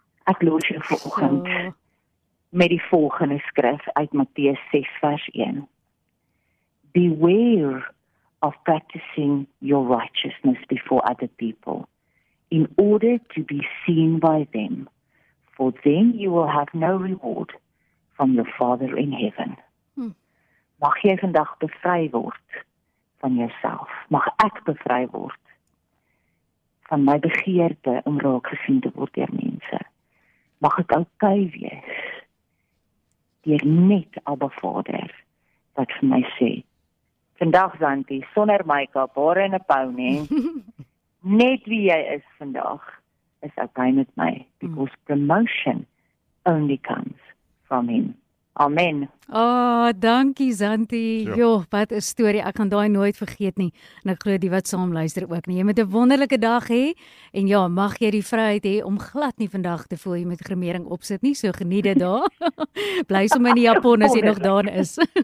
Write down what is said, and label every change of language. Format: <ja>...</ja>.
<af>Ek los jou vanoggend met die volgende skrif uit Matteus 6 vers 1.</af> <en>Beware of practicing your righteousness before other people in order to be seen by them, for then you will have no reward</en> <af>van jou Vader</af> <en>in heaven.</en> <af>Mag jy vandag bevry word van jouself. Mag ek bevry word van my begeerte om raak gesien te word deur mense. Mag ek okay wees deur net Abba Vader wat vir my sê. Vandag Zanti, sonder make-up, hare en 'n pony, net wie jy is vandag, is okay met my.</af> <en>Because promotion only comes from him. Amen.</en> <af>Oh, dankie Zanti. Joh, wat 'n storie. Ek gaan daai nooit vergeet nie. En ek glo die wat saam luister ook nie. Jy moet 'n wonderlike dag hê. En ja, mag jy die vryheid hê om glad nie vandag te voel jy met gremering opsit nie. So geniet dit daar. Bly sommer in die Japon as jy nog daar is.</af>